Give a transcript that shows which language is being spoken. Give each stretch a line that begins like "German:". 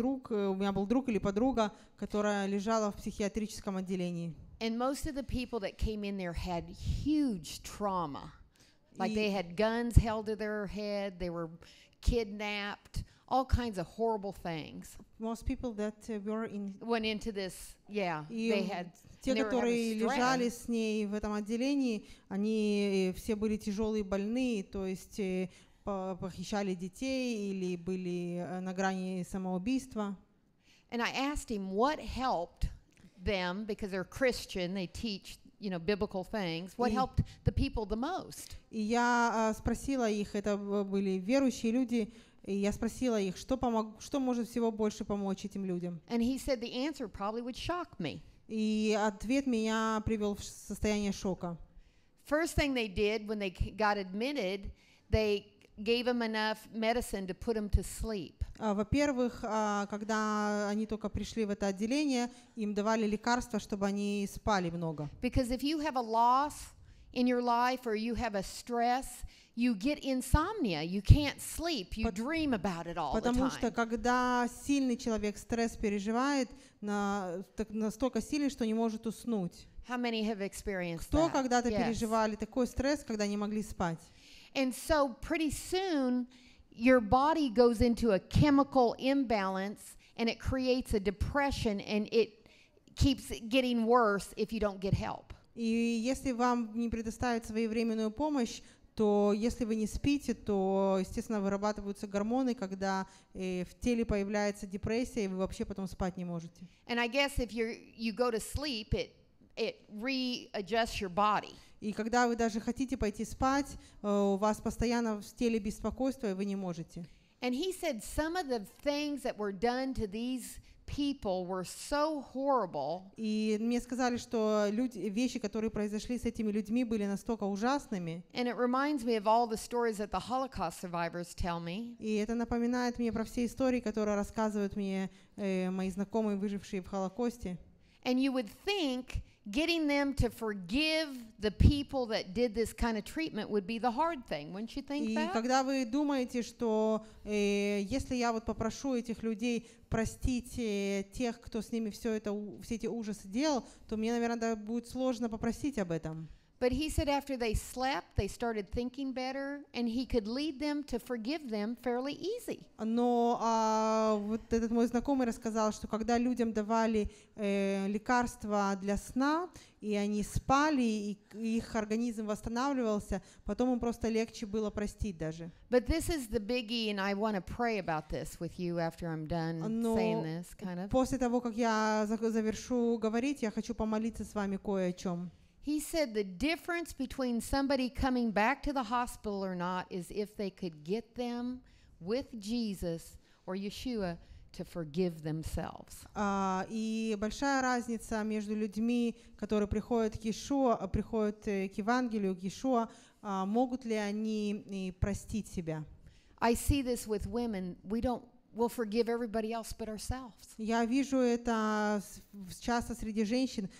Russian: У меня был друг или подруга, которая лежала в психиатрическом отделении.
English: And most of the people that came in there had huge trauma. Like they had guns held to their head, they were kidnapped, all kinds of horrible things. Most people that went into this, yeah, they had
Russian: те, которые лежали с ней в этом отделении, они все были тяжелые больные, то есть похищали детей или были на грани самоубийства.
English: And I asked him what helped them, because they're Christian, they teach, you know, biblical things. What helped the people the most?
Russian: И я спросила их, это были верующие люди, и я спросила их, что может всего больше помочь этим людям.
English: And he said the answer probably would shock me.
Russian: И ответ меня привел в состояние шока.
English: First thing they did when they got admitted, they gave them enough medicine to put them to sleep.
Russian: Во-первых, когда они только пришли в это отделение, им давали лекарства, чтобы они спали много.
English: Because if you have a loss in your life or you have a stress, you get insomnia, you can't sleep, you dream about it all the time.
Russian: Потому что когда сильный человек стресс переживает, настолько сильный, что не может уснуть.
English: How many have experienced that?
Russian: Кто когда-то переживали такой стресс, когда не могли спать?
English: And so pretty soon your body goes into a chemical imbalance and it creates a depression and it keeps getting worse if you don't get help.
Russian: И если вам не предоставят своевременную помощь, то если вы не спите, то, естественно, вырабатываются гормоны, когда в теле появляется депрессия, и вы вообще потом спать не можете.
English: And I guess if you go to sleep, it readjusts your body.
Russian: И когда вы даже хотите пойти спать, у вас постоянно в теле беспокойство, и вы не можете.
English: And he said some of the things that were done to these people were so horrible.
Russian: И мне сказали, что вещи, которые произошли с этими людьми, были настолько ужасными.
English: And it reminds me of all the stories that the Holocaust survivors tell me.
Russian: И это напоминает мне про все истории, которые рассказывают мне мои знакомые, выжившие в Холокосте.
English: And you would think getting them to forgive the people that did this kind of treatment would be the hard thing, wouldn't you think that?
Russian: И когда вы думаете, что если я вот попрошу этих людей простить тех, кто с ними все эти ужасы делал, то мне, наверное, будет сложно попросить об этом.
English: But he said after they slept, they started thinking better, and he could lead them to forgive them fairly easy.
Russian: Но вот этот мой знакомый рассказал, что когда людям давали лекарства для сна, и они спали, и их организм восстанавливался, потом им просто легче было простить даже.
English: But this is the biggie, and I want to pray about this with you after I'm done saying this, kind of.
Russian: После того, как я завершу говорить, я хочу помолиться с вами кое о чем.
English: He said the difference between somebody coming back to the hospital or not is if they could get them with Jesus or Yeshua to forgive themselves.
Russian: И большая разница между людьми, которые приходят к Иешуа, приходят к Евангелию, к Иешуа, могут ли они простить себя?
English: I see this with women. We'll forgive everybody else but ourselves.
Russian: Я вижу это часто среди женщин.